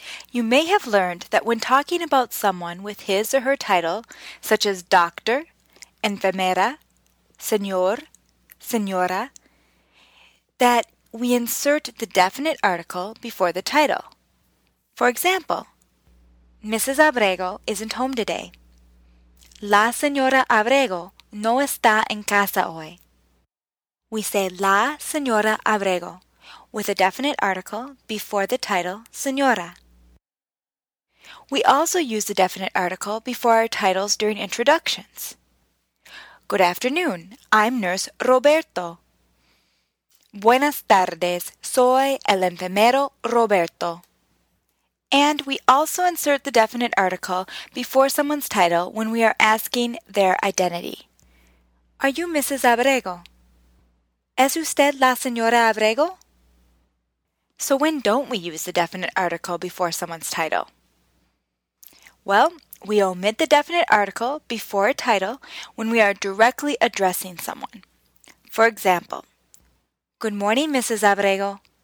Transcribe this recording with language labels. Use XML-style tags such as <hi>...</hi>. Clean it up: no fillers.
<en>You may have learned that when talking about someone with his or her title, such as doctor, enfermera, señor, señora, that we insert the definite article before the title. For example, Mrs. Abrego isn't home today.</en> <es>La señora Abrego no está en casa hoy.</es> <en>We say</en> <es>la señora Abrego</es> <en>with a definite article before the title señora. We also use the definite article before our titles during introductions. Good afternoon, I'm Nurse Roberto.</en> <es>Buenas tardes, soy el enfermero Roberto.</es> <en>And we also insert the definite article before someone's title when we are asking their identity. Are you Mrs. Abrego?</en> <es>¿Es usted la señora Abrego?</es> <en>So when don't we use the definite article before someone's title? Well, we omit the definite article before a title when we are directly addressing someone. For example, good morning, Mrs. Abrego.</en>